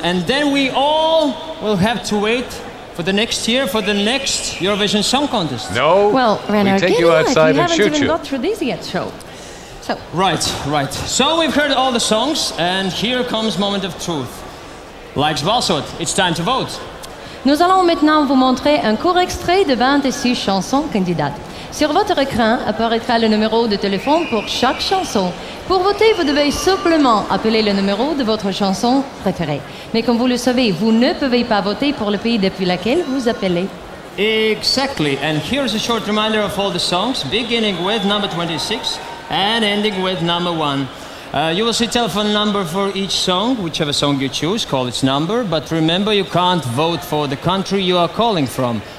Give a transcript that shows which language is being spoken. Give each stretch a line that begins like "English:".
English: And then we all will have to wait for the next year, for the next Eurovision Song Contest. No. Well, Renner, we take you outside and shoot you. We haven't even got through this yet, so. Right. So we've heard all the songs, and here comes moment of truth. Like Valsot, it's time to vote.
French: Nous allons maintenant vous montrer un court extrait de 26 chansons candidates. Sur votre écran apparaîtra le numéro de téléphone pour chaque chanson. Pour voter, vous devez simplement appeler le numéro de votre chanson préférée. Mais comme vous le savez, vous ne pouvez pas voter pour le pays depuis lequel vous appelez.
English: Exactly. And here's a short reminder of all the songs, beginning with number 26. And ending with number one. You will see telephone number for each song, whichever song you choose, call its number. But remember, you can't vote for the country you are calling from.